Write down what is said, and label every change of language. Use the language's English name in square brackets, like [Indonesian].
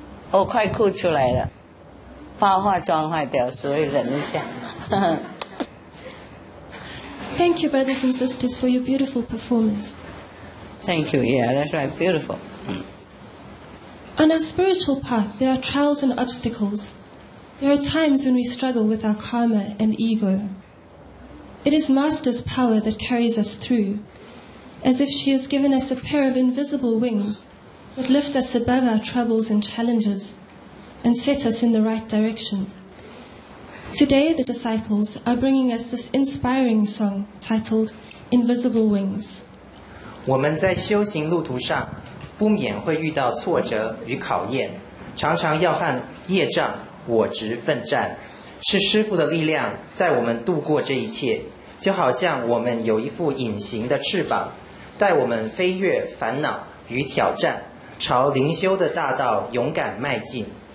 [Chinese] 我快哭出来了，怕化妆坏掉，所以忍一下。 [English] Thank you, brothers and sisters, for your beautiful performance. Thank you. Yeah, that's right, beautiful. On our spiritual path, there are trials and obstacles. There are times when we struggle with our karma and ego. It is Master's power that carries us through. As if she has given us a pair of invisible wings that lift us above our troubles and challenges and set us in the right direction. Today, the disciples are bringing us this inspiring song titled Invisible Wings. [Chinese] 我们在修行路途上不免会遇到挫折与考验，常常要和业障我执奋战，是师父的力量带我们度过这一切，就好像我们有一副隐形的翅膀带我们飞越烦恼与挑战，朝灵修的大道勇敢迈进。